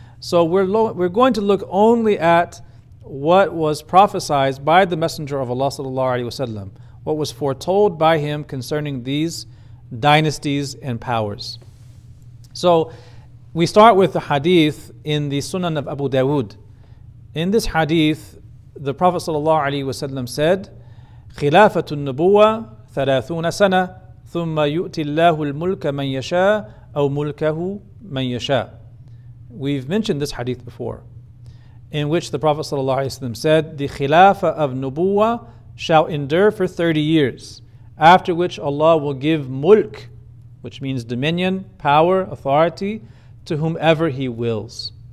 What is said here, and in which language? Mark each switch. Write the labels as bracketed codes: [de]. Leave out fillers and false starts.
[en] So we're going to look only at what was prophesied by the Messenger of Allah sallallahu alaihi wasallam, what was foretold by him concerning these dynasties and powers. So we start with the hadith in the Sunan of Abu Dawud. In this hadith, the Prophet sallallahu alaihi wasallam said, [ar] خِلَافَةُ النُّبُوَّةِ 30 سَنَةً ثُمَّ يُؤْتِ اللَّهُ الْمُلْكَ مَنْ يَشَاءُ أَوْ مُلْكَهُ مَنْ يَشَاءُ. [en] We've mentioned this hadith before, in which the Prophet sallallahu alaihi wasallam said, the khilafah of nubuwah shall endure for 30 years, after which Allah will give mulk, which means dominion, power, authority, to whomever He wills.